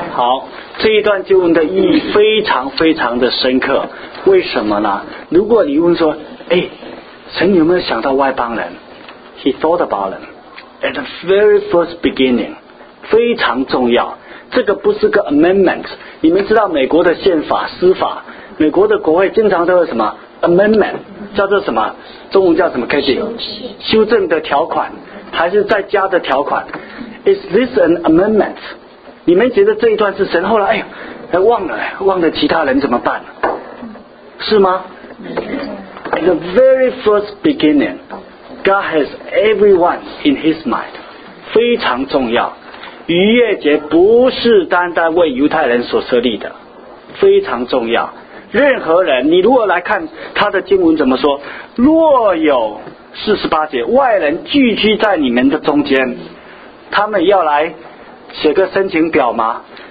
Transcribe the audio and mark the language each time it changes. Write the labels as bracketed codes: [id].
[zh] 好，这一段经文的意义非常非常的深刻。为什么呢？如果你问说，哎，神有没有想到外邦人？ [en] He thought about them at the very first beginning， [zh] 非常重要。这个不是个 amendment， 你们知道美国的宪法司法，美国的国会经常都有什么 amendment， 叫做什么中文叫什么 Katie？修正的条款还是再加的条款？ [en] Is this an amendment？ [zh] 你们觉得这一段是神后来哎呦他忘了，忘了其他人怎么办？是吗？ [en] The very first beginning, God has everyone in His mind. [zh] 非常重要。逾越节不是单单为犹太人所设立的，非常重要。任何人，你如果来看他的经文怎么说？若有四十八节，外人聚居在你们的中间，他们要来写个申请表吗？